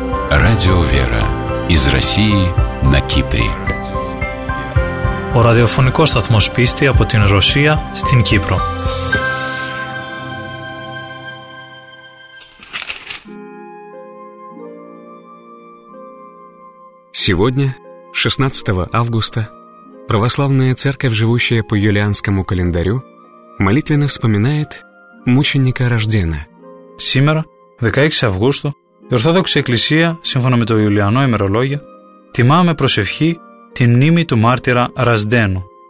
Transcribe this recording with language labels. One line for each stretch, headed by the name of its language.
Russian: Радио «Вера» из России на Кипре.
Greek: Ο ραδιοφωνικός σταθμός πίστη από την Ρωσία στην Κύπρο.
Russian: Сегодня, 16 августа, православная церковь, живущая по юлианскому календарю, молитвенно вспоминает мученика Рождена.
Greek: Сήμερα, 16 Αυγούστου, η Ορθόδοξη Εκκλησία, σύμφωνα με το Ιουλιανό ημερολόγιο, τιμά με προσευχή τη μνήμη του μάρτυρα Ρασδένου.